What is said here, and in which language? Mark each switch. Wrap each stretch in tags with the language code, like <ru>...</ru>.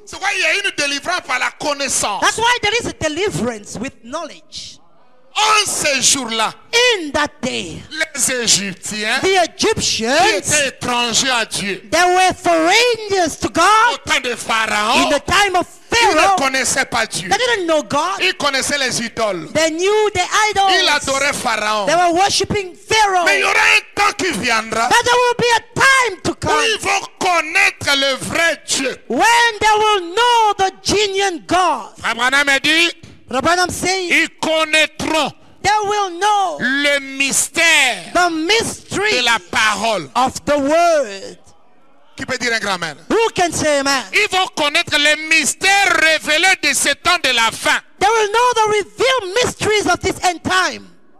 <fr>C'est pourquoi il y a une délivrance par la connaissance.</fr> <en>That's why there is a deliverance with knowledge.</en> <fr>En ces jours-là,</fr> <en>in that day,</en> <fr>les Égyptiens,</fr> <en>the Egyptians,</en> <fr>qui étaient étrangers à Dieu,</fr> <en>they were foreigners to God,</en> <fr>au temps de Pharaon,</fr> <en>in the time of Pharaoh,</en> <fr>ils ne connaissaient pas Dieu,</fr> <en>they didn't know God,</en> <fr>ils connaissaient les idoles,</fr> <en>they knew the idols,</en> <fr>ils adoraient Pharaon,</fr> <en>they were worshiping Pharaoh,</en> <fr>mais il y aura un temps qui viendra,</fr> <en>but there will be a time to come,</en> <fr>où ils vont connaître le vrai Dieu,</fr> <en>when they will know the genuine God.</en> <fr>Abraham a dit,</fr> <en>Rabbanam say,</en> <fr>ils connaîtront,</fr> <en>they will know,</en> <fr>le mystère,</fr> <en>the mystery,</en> <fr>de la parole,</fr> <en>of the word.</en> <fr>Qui peut dire un grand amen?</fr> <en>Who can say amen?</en> <fr>Ils vont connaître le mystère révélé de ce temps de la fin.</fr> <en>They will know the revealed mysteries of this end time.</en>